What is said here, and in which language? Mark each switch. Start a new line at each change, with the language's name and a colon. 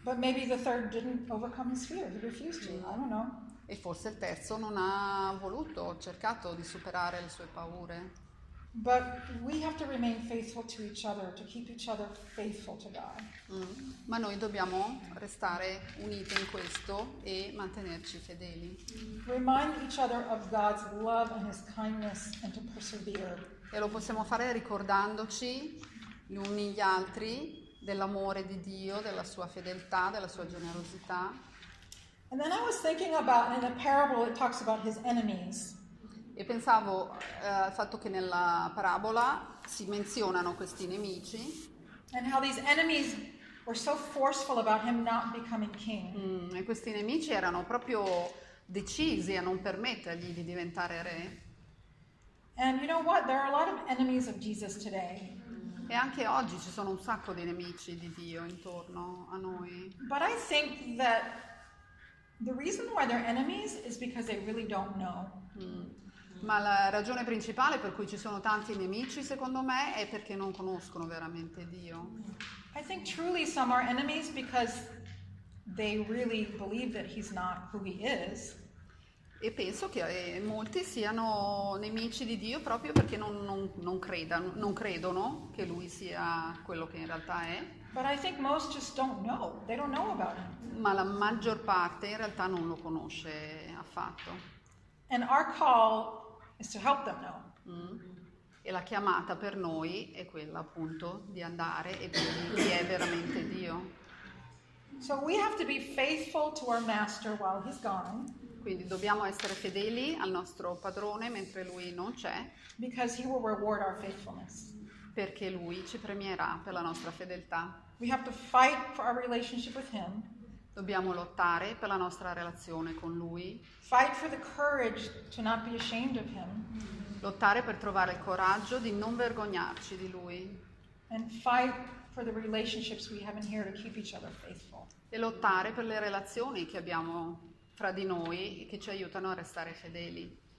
English: But maybe the third didn't overcome his fear, he refused to, I don't know.
Italian: E forse il terzo non ha voluto, ha cercato di superare le sue paure.
English: But we have to remain faithful to each other, to keep each other faithful to God.
Italian: Ma noi dobbiamo restare uniti in questo e mantenerci fedeli.
English: Remind each other of God's love and his kindness and to persevere.
Italian: E lo possiamo fare ricordandoci gli uni gli altri dell'amore di Dio, della sua fedeltà, della sua generosità.
English: And then I was thinking about in a parable it talks about his enemies.
Italian: E pensavo al fatto che nella parabola si menzionano questi nemici.
English: And how these enemies were so forceful about him not becoming king.
Italian: E questi nemici erano proprio decisi a non permettergli di diventare re.
English: And you know what? There are a lot of enemies of Jesus today.
Italian: E anche oggi ci sono un sacco di nemici di Dio intorno a noi.
English: But I think that the reason why they're enemies is because they really don't know.
Italian: Ma la ragione principale per cui ci sono tanti nemici, secondo me, è perché non conoscono veramente Dio.
English: I think truly some are enemies because they really believe that he's not who he is.
Italian: E penso che molti siano nemici di Dio proprio perché non credono che lui sia quello che in realtà è.
English: But I think most just don't know. They don't know about him.
Italian: Ma la maggior parte in realtà non lo conosce affatto.
English: And our call is to help them know.
Italian: E la chiamata per noi è quella appunto di andare e dire chi è veramente Dio.
English: So we have to be faithful to our master while he's gone.
Italian: Quindi dobbiamo essere fedeli al nostro padrone mentre lui non c'è.
English: Because he will reward our faithfulness.
Italian: Perché lui ci premierà per la nostra fedeltà.
English: We have to fight for our relationship with him.
Italian: Dobbiamo lottare per la nostra relazione con lui.
English: Fight for the courage to not be ashamed of him.
Italian: Lottare per trovare il coraggio di non vergognarci di lui.
English: And fight for the relationships we have in here to keep each other faithful.
Italian: E lottare per le relazioni che abbiamo fra di noi e che ci aiutano a restare fedeli.